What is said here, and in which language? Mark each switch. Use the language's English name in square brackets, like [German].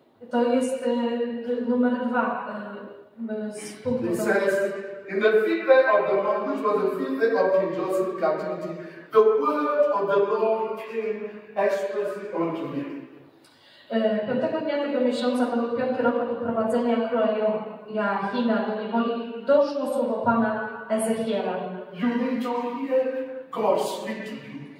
[Polish] To jest numer dwa z punktu [English] In the fifth day of the month, which was the fifth day of King Joseph's captivity, the word of the Lord came expressly unto me. [Polish] 5 dnia tego miesiąca, to był 5 rok od uprowadzenia króla Joachima do niewoli, doszło słowo Pana Ezechiela. [English] You need to hear God speak to you.